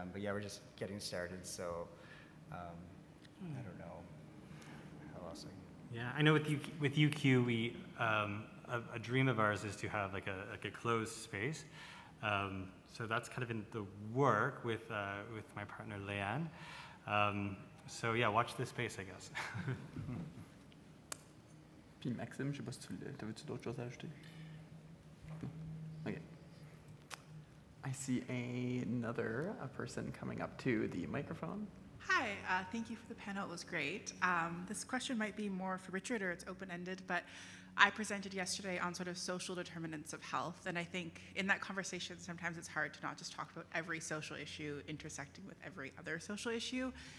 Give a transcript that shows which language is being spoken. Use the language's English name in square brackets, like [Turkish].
[English] But yeah, we're just getting started, so I don't know how else I can. Yeah, I know with UQ, we a dream of ours is to have like a closed space. So that's kind of in the work with my partner Leanne. So yeah, watch this space, I guess. [French] Puis Maxime, je sais pas si t'avais-tu d'autres choses à ajouter? [English] Okay. I see a person coming up to the microphone. Hi, thank you for the panel. It was great. This question might be more for Richard, or it's open-ended, but I presented yesterday on sort of social determinants of health, and I think in that conversation, sometimes it's hard to not just talk about every social issue intersecting with every other social issue.